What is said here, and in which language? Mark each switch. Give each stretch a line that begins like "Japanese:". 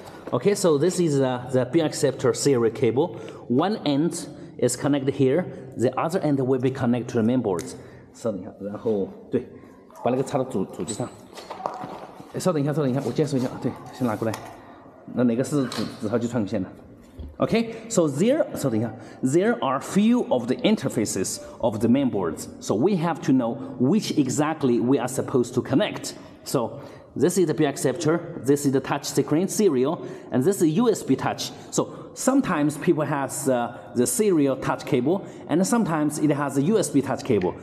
English: Okay, so this is the pin acceptor serial cable. One end is connected here, the other end will be connected to the main board.
Chinese: 稍等一下，然后对，把那个插到主机上。稍等一下，稍等一下，我解释一下，对，先拿过来。那哪个是纸号就串个线的？
English: Okay, so there are few of the interfaces of the main boards. So we have to know which exactly we are supposed to connect. So this is the pin acceptor, this is the touch screen serial, and this is USB touch. So sometimes people has the serial touch cable, and sometimes it has a USB touch cable.